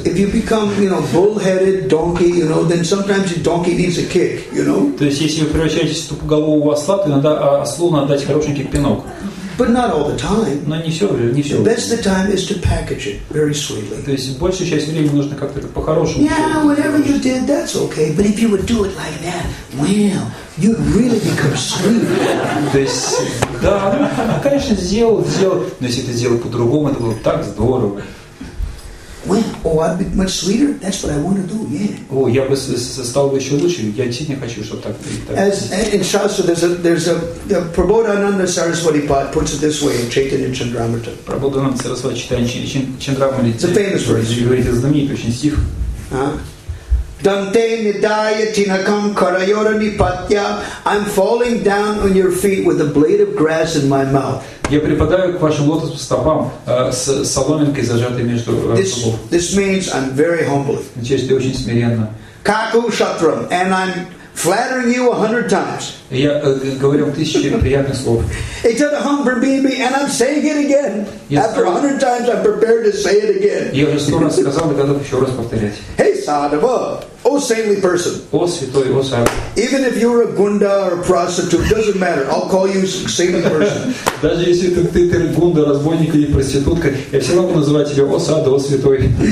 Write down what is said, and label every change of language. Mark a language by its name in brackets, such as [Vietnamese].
[English] If you become, you know, bull-headed donkey, you know, then sometimes your donkey needs a kick, you know. [Russian] То есть, если вы превращаетесь в тупоголового осла, то иногда ослу надо дать хорошенький пинок. [English] But not all the time. [Russian] Но не все время. [English] The best the time is to package it very sweetly. [Russian] То есть большую часть времени нужно как-то это по-хорошему. [English] Yeah, whatever you did, that's okay. But if you would do it like that, well, you'd really become sweet. [Russian] То есть, да, конечно, сделал. Но если ты сделал по-другому, это было так здорово. [English] Well, oh, I'd be much sweeter. That's what I want to do. Yeah. [Russian] О, я бы стал бы еще лучше. Я действительно хочу, чтобы так. [English] As in Shastra, there's a Prabodhananda Saraswati Pad puts it this way in Chaitanya Charitamrita. [Russian] Prabodhananda Saraswati читает Чандрамрита. [English] It's a famous verse. [Russian] Говорит, это знаменитый очень стих. [Sanskrit] Dante nidaya tinakam karayora nipatya. [English] I'm falling down on your feet with a blade of grass in my mouth. [Russian] Я припадаю к вашим лотос стопам с соломинкой, зажатой между зубов. [English] This means I'm very humble. [Russian] Значит, ты очень смиренно. [English] Kaku shatram, and I'm flattering you 100 times. [Russian] Я говорю 1000 приятных слов. [English] It's not a humble baby, and I'm saying it again. After 100 times, I'm prepared to say it again. [Russian] Я уже 100 раз сказал, и готов еще раз повторять. [English] Hey, sadhava. Oh, saintly person. [Russian] Oh, святой, oh, сад. [English] Even if you're a gunda or a prostitute, doesn't matter. I'll call you saintly person. [Russian] Даже если ты гунда, разбойник или проститутка, я все равно называю тебя о сад, о святой.